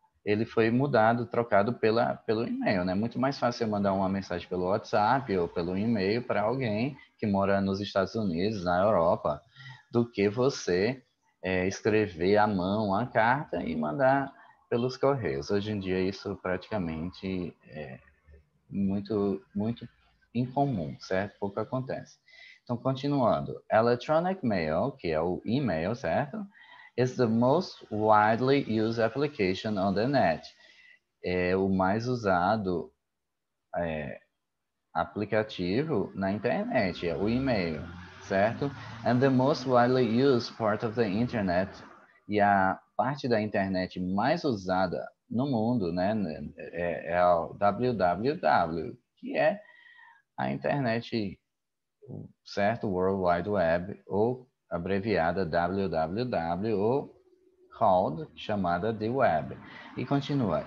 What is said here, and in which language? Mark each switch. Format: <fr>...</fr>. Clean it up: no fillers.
<pt>ele foi mudado, trocado pelo e-mail, né? Muito mais fácil eu mandar uma mensagem pelo WhatsApp ou pelo e-mail para alguém que mora nos Estados Unidos, na Europa, do que você escrever à mão a carta e mandar pelos correios. Hoje em dia isso praticamente é muito, muito incomum, certo? Pouco acontece. Então, continuando, electronic mail, que é o e-mail, certo?</pt> <en>Is the most widely used application on the net.</en> <pt>É o mais usado aplicativo na internet, é o e-mail, certo?</pt> <en>And the most widely used part of the internet.</en> <pt>E a parte da internet mais usada no mundo, né? É o www, que é a internet. Certo? World Wide Web, ou abreviada www, ou called, chamada de web. E continua.</pt>